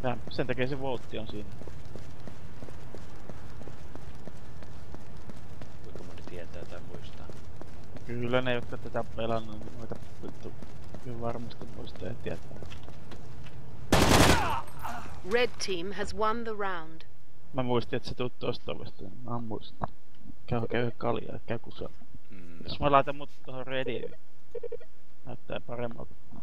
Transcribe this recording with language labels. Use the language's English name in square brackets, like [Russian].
[Finnish] Sen takia se voltti on siinä. Kuinka moni tietää tai muistaa? Kyllä ne, jotka tätä pelannut, noita vittu kyllä varmasti muistaa ja tietää. [English] Red team has won the round. [Finnish] Mä muistin, että sä tuut tosta ovesta. Mä en muista. Käy kaljaa, käy kusaa. Jos mä laitan mut tohon rediin, näyttää paremmalta.